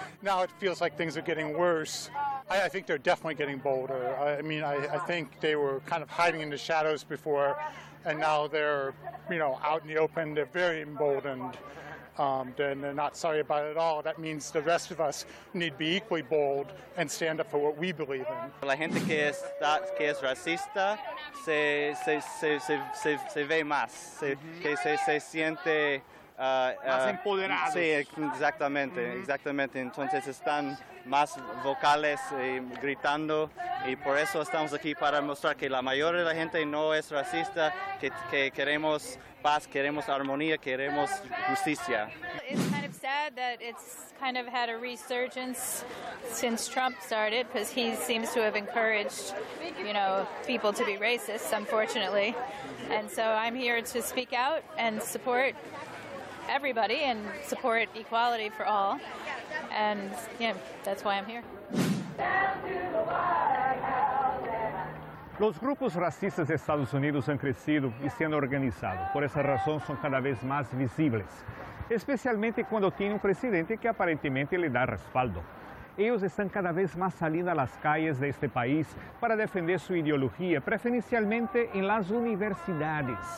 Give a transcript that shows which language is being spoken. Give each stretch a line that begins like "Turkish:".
English: Now it feels like things are getting worse. I think they're definitely getting bolder. I think they were kind of hiding in the shadows before, and now they're, you know, out in the open. They're very emboldened. They're not sorry about it at all. That means the rest of us need to be equally bold and stand up for what we believe in.
Spanish: La gente que es racista se ve más, que se siente más empoderados. Sí, exactamente, exactamente. Entonces están más vocales y gritando, y por eso estamos aquí, para mostrar que la mayoría de la gente no es racista, que queremos paz, queremos armonía, queremos justicia.
English: It's kind of sad that it's kind of had a resurgence since Trump started, because he seems to have encouraged, you know, people to be racist, unfortunately. And so I'm here to speak out and support everybody and support equality for all, and yeah, that's why I'm here.
Spanish: Los grupos racistas de Estados Unidos han crecido y se han organizado. Por esa razón son cada vez más visibles, especialmente cuando tiene un presidente que aparentemente le da respaldo. Ellos están cada vez más saliendo a las calles de este país para defender su ideología, preferencialmente en las universidades.